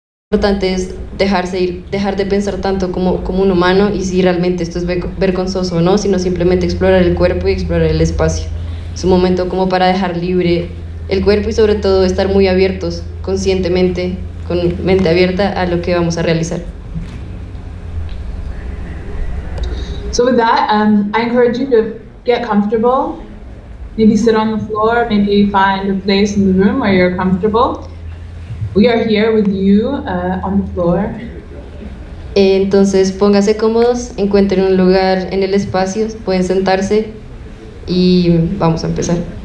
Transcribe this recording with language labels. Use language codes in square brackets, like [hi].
[es] importante es dejarse ir, dejar de pensar tanto como un humano y si realmente esto es vergonzoso o no, sino simplemente explorar el cuerpo y explorar el espacio. Es un momento como para dejar libre el cuerpo y sobre todo estar muy abiertos conscientemente, con mente abierta a lo que vamos a realizar. [en] So with that, I encourage you to get comfortable. Maybe sit on the floor, maybe find a place in the room where you're comfortable. We are here with you on the floor. [es] Entonces, póngase cómodos, encuentren un lugar en el espacio, pueden sentarse y vamos a empezar.